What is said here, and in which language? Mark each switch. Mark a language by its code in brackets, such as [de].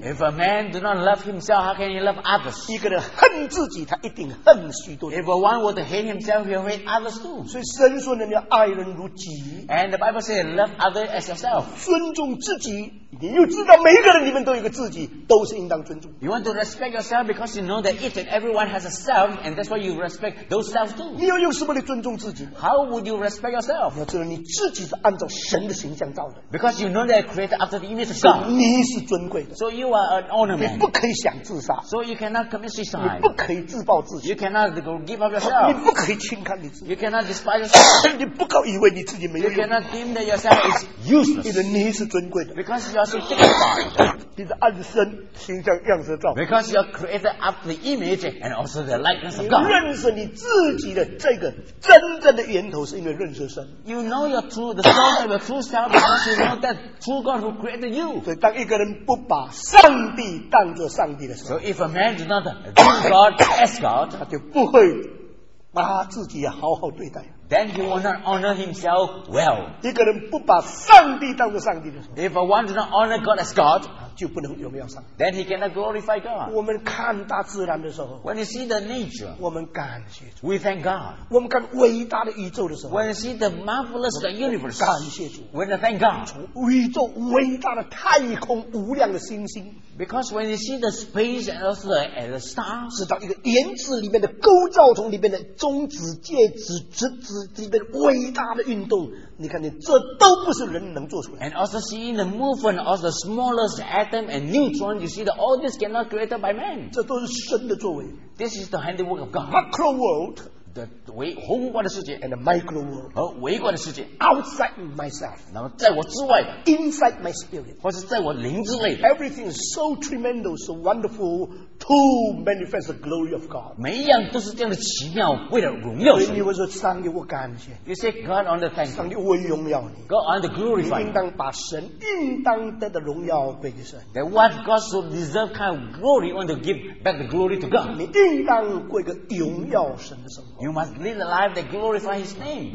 [en] If a man do not love himself, how can he love others? [zh] 一个人恨自己，他一定恨许多人。 [en] If a one would hate himself, he'll hate others too. [zh] 所以神说人要爱人如己。 [en] And the Bible says, love others as yourself. [zh] 尊重自己。你又知道每一个人里面都有一个自己，都是应当尊重。 [en] You want to respect yourself because you know that each and everyone has a self, and that's why you respect those selves too. [zh] 你要用什么来尊重自己？ [en] How would you respect yourself? [zh] 你要知道你自己是按照神的形象造的。 [en] Because you know that created after the image of God. [zh] 你是尊贵的。 [en] So you are an ornament. [zh] 你不可以想自杀。 [en] So you cannot commit suicide. [zh] 你不可以自暴自弃。 [en] You cannot give up yourself. [zh] 你不可以轻看你自己。 [en] You cannot despise yourself. [zh] 你不可以以为你自己没有用。 [en] You cannot deem that yourself is useless. [zh] 因为你是尊贵的。 [en] Because you are [zh] 你的按身形象样式照 [en] Because you are created after the image and also the likeness of God [zh] 你认识你自己的这个真正的源头是因为认识神 [en] You know your true, the source of your true self because you know that true God who created you [zh] 所以当一个人不把上帝当作上帝的时候 [en] So if a man does not do God as God [zh] 他就不会把自己好好对待 [en] Then he will not honor himself well. [zh] 一个人不把上帝当作上帝的时候 [en] If one does not honor God as God, [zh] 就不能荣耀上帝 [en] Then he cannot glorify God. [zh] 我们看大自然的时候 [en] When you see the nature, [zh] 我们感谢 [en] We thank God. [zh] 我们看伟大的宇宙的时候 [en] When you see the marvelous the universe, [zh] 感谢主 [en] When you thank God. [zh] 从宇宙伟大的太空无量的星星 [en] Because when you see the space and also the stars, [zh] 知道一个原子里面的构造从里面的中子、介子、质子这边伟大的运动，你看你这都不是人能做出来。 [en] And also seeing the movement of the smallest atom and neutron, you see that all this cannot created by man. [zh] 这都是神的作为。 [en] This is the handiwork of God. Macro world, [zh] 宏观的世界 [en] and a micro world [zh] 和微观的世界 [en] outside myself [zh] 然后在我之外 [en] inside my spirit [zh] 或是在我灵之内 [en] everything is so tremendous, so wonderful to manifest the glory of God [zh] 每一样都是这样的奇妙 为了荣耀神因为我说上帝我感谢 [en] You say God on the thank you [zh] 上帝我荣耀你 [en] God on the glorify [zh] 应当把神 应当得的荣耀归给神 [en] That what God so deserve kind of glory want to give back the glory to God [zh] 你应当过一个荣耀神的生活 [en] You must live the life that glorifies His name.